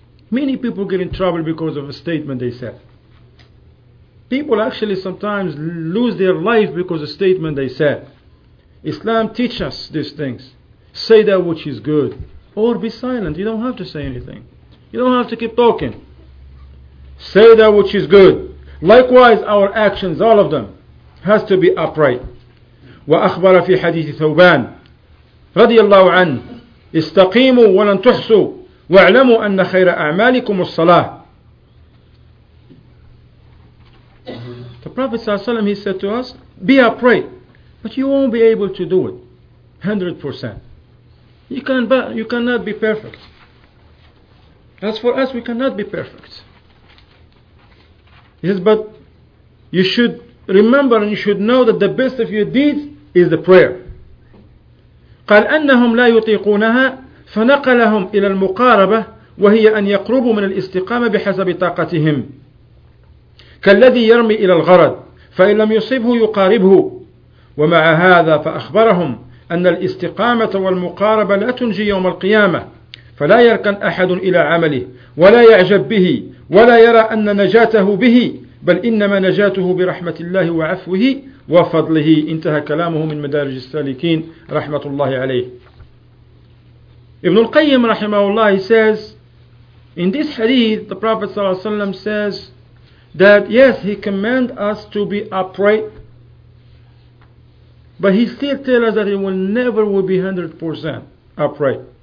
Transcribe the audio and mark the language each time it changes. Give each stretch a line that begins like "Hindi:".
English: Many people get in trouble because of a statement they said. People actually sometimes lose their life because of a statement they said. Islam teaches us these things. Say that which is good. Or be silent. You don't have to say anything. You don't have to keep talking. Say that which is good. Likewise, our actions, all of them, has to be upright.
Arabic: وَأَخْبَرَ فِي حَدِيثِ ثَوْبَانِ رضي الله عنه استقيموا ولن تحسوا واعلموا أن خير أعمالكم الصلاة.
English: The Prophet ﷺ, he said to us, be upright, but you won't be able to do it 100%. You cannot be perfect. As for us, we cannot be perfect. He says, but you should remember and you should know that the best of your deeds is the prayer.
Arabic: قال أنهم لا يطيقونها فنقلهم إلى المقاربة وهي أن يقربوا من الاستقامة بحسب طاقتهم كالذي يرمي إلى الغرض فإن لم يصبه يقاربه ومع هذا فأخبرهم أن الاستقامة والمقاربة لا تنجي يوم القيامة فلا يركن أحد إلى عمله ولا يعجب به ولا يرى أن نجاته به بل إنما نجاته برحمة الله وعفوه وفضله انتهى كلامه من مدارج السالكين رحمة الله عليه.
English: ابن القيم
Arabic: رحمه الله
English: says, in this hadith the Prophet
Arabic: صلى الله عليه وسلم
English: says that yes, he commanded us to be upright, But he still tells us that he will never will be 100% upright.